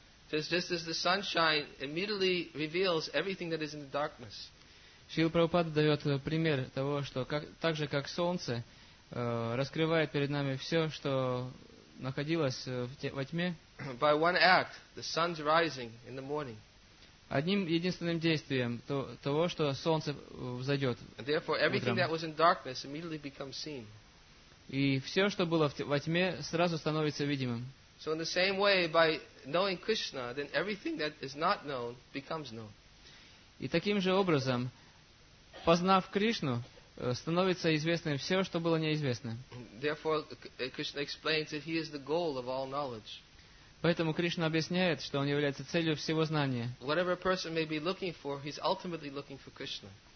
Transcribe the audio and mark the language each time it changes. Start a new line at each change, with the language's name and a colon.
English: Just as the sunshine immediately reveals everything that is in the darkness.
Russian: Шрила Прабхупада дает пример того, что так же, как солнце раскрывает перед нами все, что находилось во тьме.
English: By one act, the sun's rising in the morning.
Russian: Одним единственным действием того, что солнце взойдет.
English: Therefore, everything that was in darkness immediately becomes seen.
Russian: И все, что было во тьме, сразу становится видимым.
English: So in the same way, by knowing Krishna, then everything that is not known becomes known.
Russian: И таким же образом, познав Кришну, становится известным все, что было неизвестно.
English: Therefore, Krishna explains that he is the goal of all knowledge.
Russian: Поэтому Кришна объясняет, что он является целью всего знания.
English: Whatever a person may be looking for, he's ultimately looking for Krishna.